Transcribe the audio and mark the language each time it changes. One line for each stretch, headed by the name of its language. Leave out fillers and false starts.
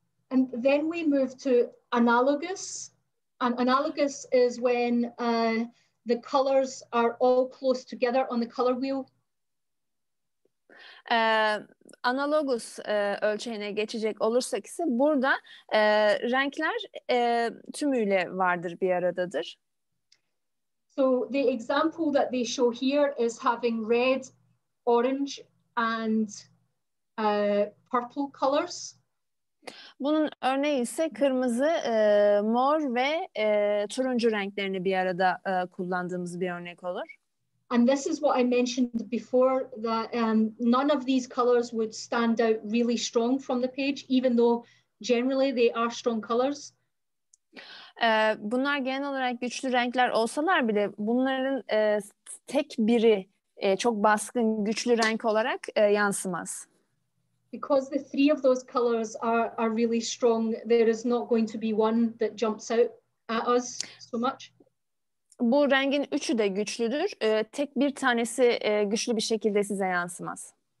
English: And then we move to analogous. And analogous is when the colors are all close together on the color wheel.
Turkish: Analogous ölçeğine geçecek olursak ise burada renkler tümüyle vardır, bir aradadır.
English: So the example that they show here is having red, orange and purple colors.
Turkish: Bunun örneği ise kırmızı, mor ve turuncu renklerini bir arada kullandığımız bir örnek olur.
English: And this is what I mentioned before, that none of these colors would stand out really strong from the page, even though generally they are strong colors.
Turkish: Bunlar genel olarak güçlü renkler olsalar bile bunların tek biri çok baskın, güçlü renk olarak yansımaz.
English: Because the three of those colors are really strong, there is not going to be one that jumps out at us so much.
Turkish: Bu rengin üçü de güçlüdür. Tek bir tanesi güçlü bir şekilde size yansımaz.